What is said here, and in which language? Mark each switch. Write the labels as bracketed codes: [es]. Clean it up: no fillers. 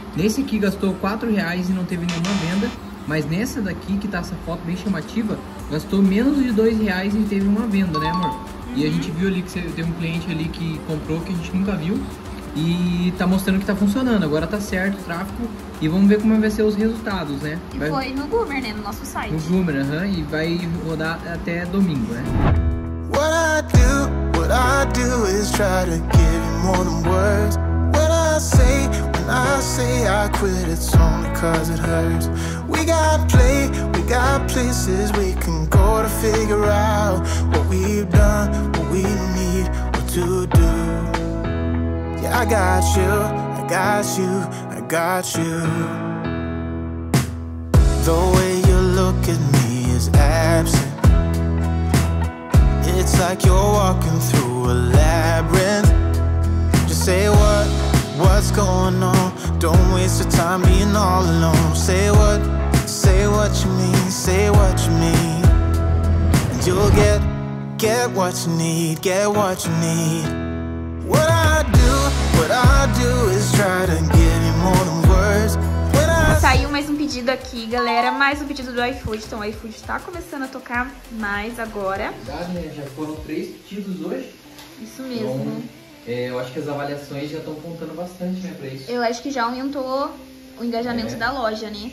[pt] Nesse aqui gastou R$4 e não teve nenhuma venda. Mas nessa daqui, que tá essa foto bem chamativa, gastou menos de R$2 e teve uma venda, né, amor? E a gente viu ali que você tem um cliente ali que comprou que a gente nunca viu. E tá mostrando que tá funcionando, agora tá certo o tráfego e vamos ver como vai ser os resultados, né? Vai... E foi no Goomer, né? No nosso site. No Goomer, aham, uhum. E vai rodar até domingo, né? [en] What I do is try to give you more than words. What I say, when I say I quit, it's only cause it hurts. We got play, we got places we can go to figure out what we've done, what we need, what to do. I got you, I got you, I got you. The way you look at me is absent. It's like you're walking through a labyrinth. Just say what, what's going on? Don't waste your time being all alone. Say what you mean, say what you mean. And you'll get what you need, get what you need. What I do, what I do is try to give you more than words. [pt] Saiu mais um pedido aqui, galera. Mais um pedido do iFood. Então o iFood tá começando a tocar mais agora. Verdade, né? Já foram três pedidos hoje. Isso mesmo. Então, eu acho que as avaliações já estão contando bastante, né, pra isso. Eu acho que já aumentou o engajamento da loja, né?